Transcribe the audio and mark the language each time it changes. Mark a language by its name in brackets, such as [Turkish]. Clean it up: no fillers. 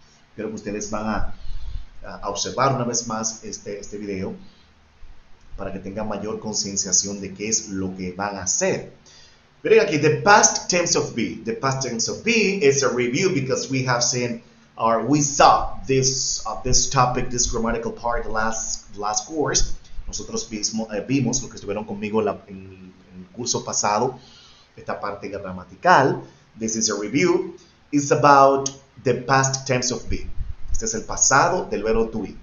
[Spanish] Espero que ustedes van a observar una vez más este video para que tengan mayor concienciación de qué es lo que van a hacer. Miren aquí, [English] the past tense of be. The past tense of be is a review because we have seen or we saw this topic, this grammatical part last course. [Spanish] Nosotros vimos lo que estuvieron conmigo en el curso pasado, esta parte gramatical. [English] This is a review. It's about the past tense of be. [Spanish] Este es el pasado del verbo to be.